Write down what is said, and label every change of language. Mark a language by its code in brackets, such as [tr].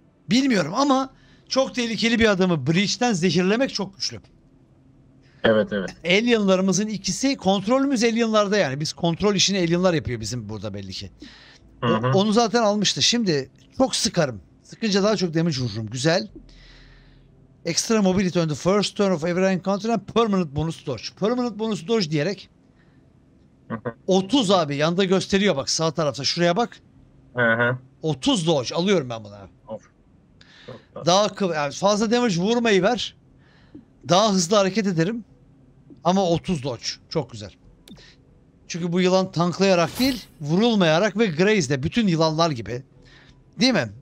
[tr] Bilmiyorum ama çok tehlikeli bir adamı bridge'den zehirlemek çok güçlü. Evet. Alienlarımızın ikisi, kontrolümüz Alienlarda yani. Biz kontrol işini Alienlar yapıyor bizim burada belli ki. Onu zaten almıştı. Şimdi çok sıkarım. Sıkınca daha çok damage vururum. Güzel. [en] Extra mobility on the first turn of every encounter and permanent bonus dodge. Permanent bonus dodge [tr] diyerek 30 abi, yanda gösteriyor bak sağ tarafta, şuraya bak. 30 dodge alıyorum ben buna. Çok tatlı. Daha yani fazla damage vurmayı ver. Daha hızlı hareket ederim. Ama 30 dodge çok güzel. Çünkü bu yılan tanklayarak değil, vurulmayarak ve graze de bütün yılanlar gibi. Değil mi?